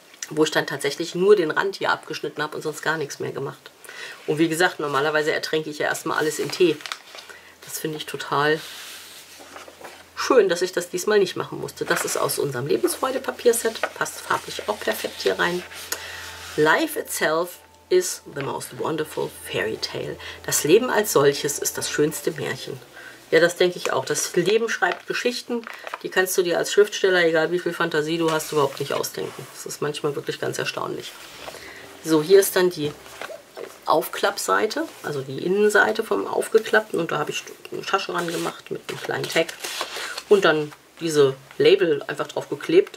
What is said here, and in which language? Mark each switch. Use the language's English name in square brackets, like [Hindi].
[German] Wo ich dann tatsächlich nur den Rand hier abgeschnitten habe und sonst gar nichts mehr gemacht. Und wie gesagt, normalerweise ertränke ich ja erstmal alles in Tee. Das finde ich total schön, dass ich das diesmal nicht machen musste. Das ist aus unserem Lebensfreude-Papierset. Passt farblich auch perfekt hier rein. [English] Life itself is the most wonderful fairy tale. [German] Das Leben als solches ist das schönste Märchen. Ja, das denke ich auch. Das Leben schreibt Geschichten. Die kannst du dir als Schriftsteller, egal wie viel Fantasie du hast, überhaupt nicht ausdenken. Das ist manchmal wirklich ganz erstaunlich. So, hier ist dann die Aufklappseite, also die Innenseite vom Aufgeklappten, und da habe ich eine Tasche ran gemacht mit einem kleinen Tag und dann diese Label einfach drauf geklebt.